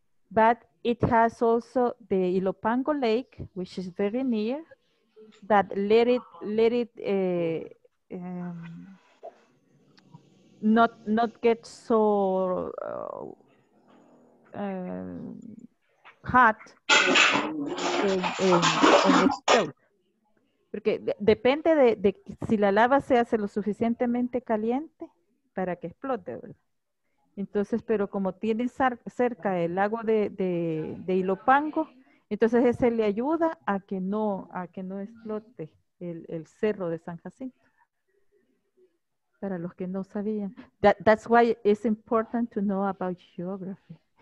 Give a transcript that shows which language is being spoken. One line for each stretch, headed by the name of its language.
English: But it has also the Ilopango Lake, which is very near, that let it not get so hot on the stove.
Spanish: Porque depende de si la lava se hace lo suficientemente caliente para que explote, ¿verdad? Entonces, pero como tiene cerca el lago de Ilopango, entonces ese le ayuda a que no explote el cerro de San Jacinto. Para los que no sabían.
English: That's why it's important to know about geography.